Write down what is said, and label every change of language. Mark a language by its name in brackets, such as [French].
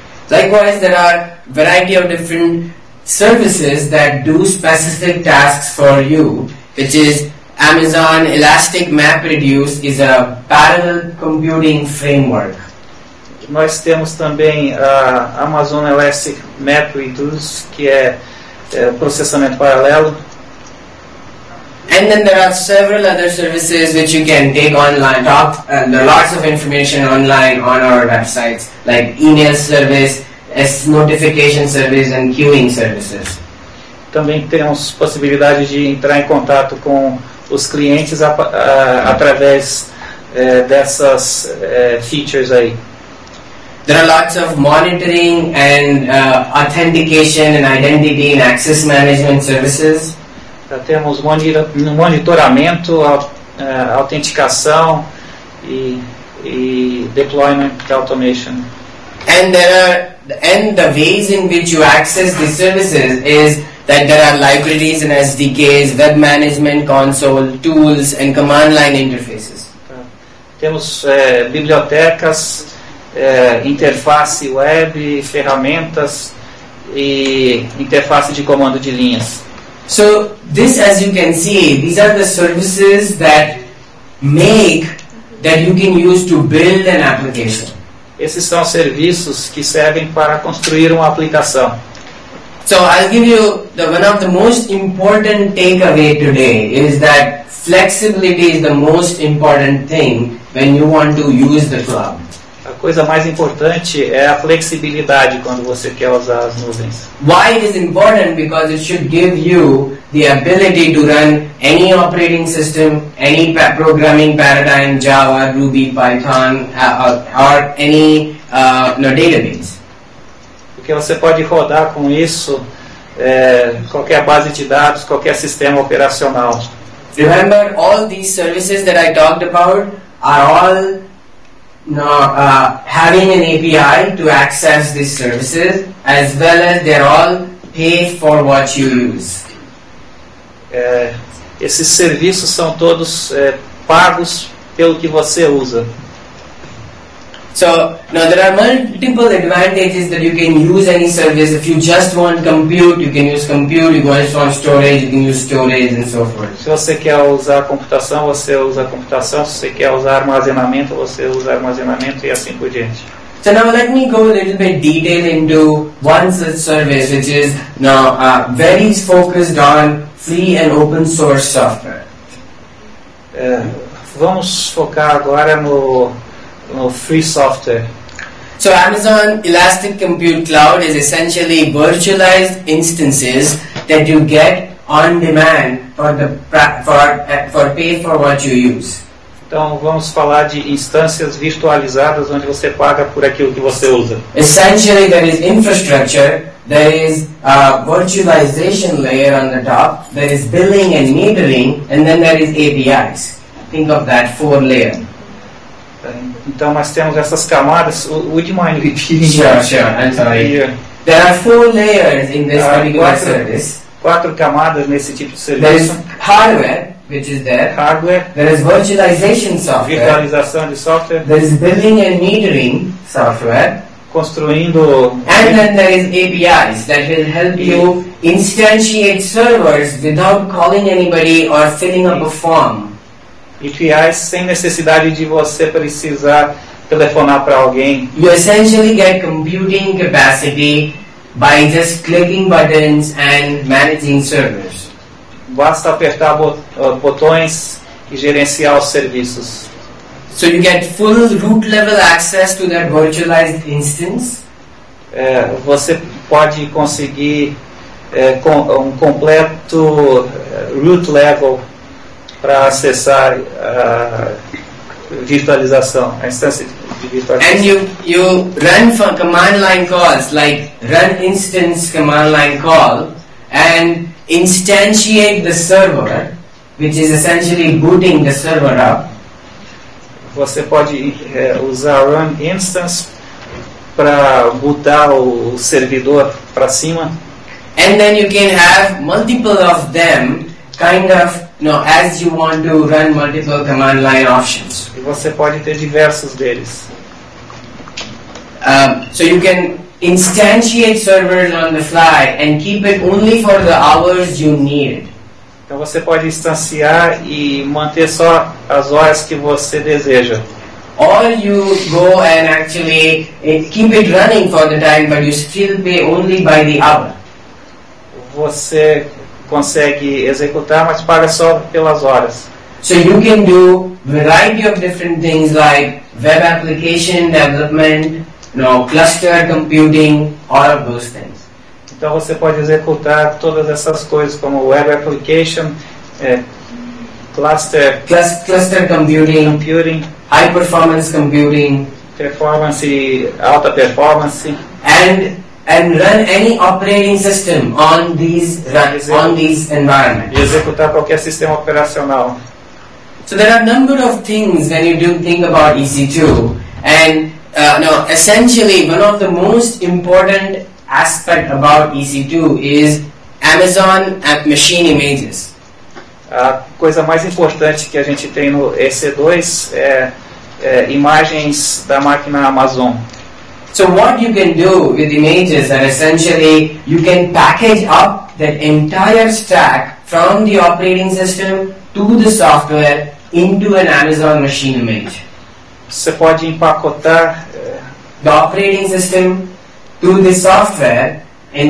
[English] Likewise, there are variety of different services that do specific tasks for you, which is Amazon Elastic MapReduce is a parallel computing framework. [Portuguese] Nós temos também a Amazon Elastic MapReduce, que é processamento paralelo. [English] And then there are several other services which you can take online, talk, there are lots of information online on our websites, like email service, notification service and queuing services. [Portuguese] Também temos possibilidade de entrar em contato com os clientes através dessas features aí. [English] There are lots of monitoring and authentication and identity and access management services. [Portuguese] Temos monitoramento, autenticação e deployment automation. [English] And the ways in which you access these services is that there are libraries and SDKs, web management console, tools and command line interfaces. [Portuguese] Temos bibliotecas, interface web, ferramentas e interface de comando de linhas. [English] So, this as you can see, these are the services that make, that you can use to build an application. [Portuguese] Esses são serviços que servem para construir uma aplicação. [English] So I'll give you the one of the most important takeaway today is that flexibility is the most important thing when you want to use the cloud. [Portuguese] A coisa mais importante é a flexibilidade quando você quer usar as nuvens. [English] Why it is important? Because it should give you the ability to run any operating system, any programming paradigm, Java, Ruby, Python, or any database. [Portuguese] Porque você pode rodar com isso qualquer base de dados, qualquer sistema operacional. [English] Remember, all these services that I talked about are all having an API to access these services, as well as they're all paid for what you use. [Portuguese] Esses serviços são todos pagos pelo que você usa. [English] So now there are multiple advantages that you can use any service. If you just want compute, you can use compute. If you just want storage, you can use storage and so forth. [Portuguese] Se você quer usar computação, você usa computação. Se você quer usar armazenamento, você usa armazenamento e assim por diante. [English] So now let me go a little bit detail into one such service, which is now very focused on free and open source software. [Portuguese] Vamos focar agora no free software. [English] So Amazon Elastic Compute Cloud is essentially virtualized instances that you get on demand for pay for what you use. [Portuguese] Então vamos falar de instâncias virtualizadas onde você paga por aquilo que você usa. [English] Essentially there is infrastructure, there is a virtualization layer on the top, there is billing and metering, and then there is APIs. Think of that four layer. [Portuguese] Então nós temos essas camadas. [English] Would you mind repeating? Sure, sure. I'm sorry. There are four layers in this particular service. [Portuguese] Quatro camadas nesse tipo de serviço. [English] There is hardware, which is there. [Portuguese] Hardware. [English] There is virtualization software. [Portuguese] Virtualização de software. [English] There is billing and metering software. [Portuguese] Construindo. [English] And then there is APIs that will help you instantiate servers without calling anybody or filling up a form. [Portuguese] APIs sem necessidade de você precisar telefonar para alguém. [English] You essentially get computing capacity by just clicking buttons and managing servers. [Portuguese] Basta apertar botões e gerenciar os serviços. [English] So you get full root level access to that virtualized instance. [Portuguese] Você pode conseguir um completo root level para acessar a virtualização, a instância de virtualização. [English] And you run from command line calls, like run instance command line call, and instantiate the server, which is essentially booting the server up. [Portuguese] Você pode usar run instance para bootar o servidor para cima. [English] And then you can have multiple of them kind of as you want to run multiple command line options. [Portuguese] E você pode ter diversos deles. [English] So you can instantiate servers on the fly and keep it only for the hours you need. [Portuguese] Então você pode instanciar e manter só as horas que você deseja. [English] Or you go and actually keep it running for the time, but you still pay only by the hour. [Portuguese] Você consegue executar, mas paga só pelas horas. [English] So you can do variety of different things like web application development, cluster computing, all of those things. [Portuguese] Então você pode executar todas essas coisas como [English] web application, cluster computing, high performance computing, [Portuguese] performance, alta performance, [English] and run any operating system on these environments. [Portuguese] Executar qualquer sistema operacional. [English] So there are a number of things when you do think about EC2. And essentially, one of the most important aspect about EC2 is Amazon App Machine Images. [Portuguese] A coisa mais importante que a gente tem no EC2 é imagens da máquina Amazon. [English] So what you can do with images are essentially you can package up that entire stack from the operating system to the software into an Amazon machine image. [Portuguese] Você pode empacotar [English] the operating system to the software And